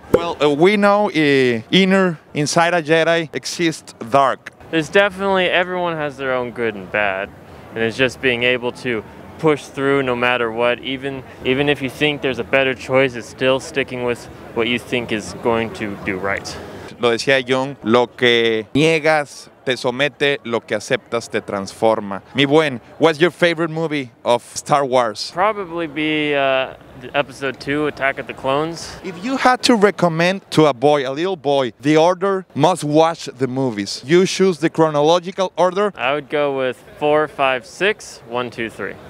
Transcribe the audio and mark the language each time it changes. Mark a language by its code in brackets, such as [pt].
[en] Well, we know inside a Jedi exists dark. There's definitely, everyone has their own good and bad. And it's just being able to push through no matter what. Even if you think there's a better choice, it's still sticking with what you think is going to do right. [es] Lo decía Jung, lo que niegas te somete, lo que aceptas te transforma. Mi buen, [en] what's your favorite movie of Star Wars? Probably be episode 2, Attack of the Clones. If you had to recommend to a boy, a little boy, the order must watch the movies. You choose the chronological order. I would go with 4, 5, 6, 1, 2, 3.